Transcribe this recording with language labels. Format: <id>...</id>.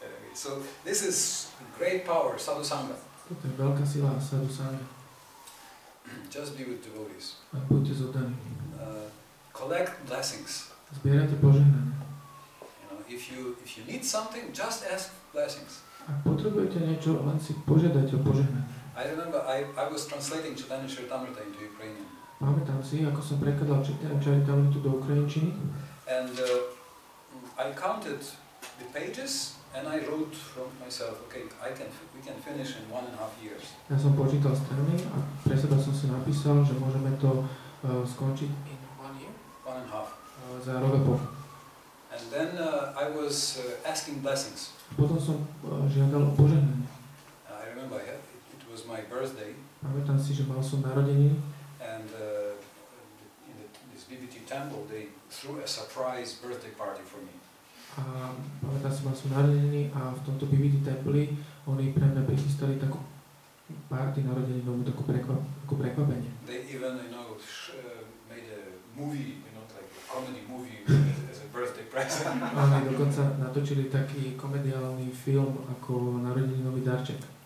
<en>So this is great power, sadhu sangha.</en> <sk>Toto je veľká sila, sadhu sangha.</sk> <en>Just be with devotees.</en> <sk>A buďte s oddaní.</sk> <en>Collect blessings.</en> <sk>Zbierajte požehnanie.</sk> <en>You know, if you need something, just ask blessings.</en> <sk>Ak potrebujete niečo, len si požiadajte o požehnanie.</sk> <en>I remember I was translating Chaitanya Charitamrita into Ukrainian.</en> <sk>Pamätám si, ako som prekladal Charitamritu do ukrajinčiny.</sk> <en>And I counted the pages and I wrote from myself, okay, we can finish in 1.5 years.</en> <sk>Ja som počítal strany a pre seba som si napísal, že môžeme to skončiť</sk> <en>in 1 year, 1.5.</en> <sk>Za rok a pol.</sk> <en>And then I was asking blessings.</en> <sk>Potom som žiadal o požehnanie.</sk> <en>I remember it was my birthday.</en> <sk>Pamätám si, že mal som narodeniny.</sk> <en>And in this BBT temple, they threw a surprise birthday party for me.</en> <sk>Pamätám si, mal som narodeniny a v tomto BBT templi oni pre mňa prichystali takú party narodeninovú, takú prekvapenie.</sk> <en>They even, you know, made a movie, you know, like a comedy movie as a birthday present.</en> <sk>Oni dokonca natočili taký komediálny film ako narodeninový darček.</sk>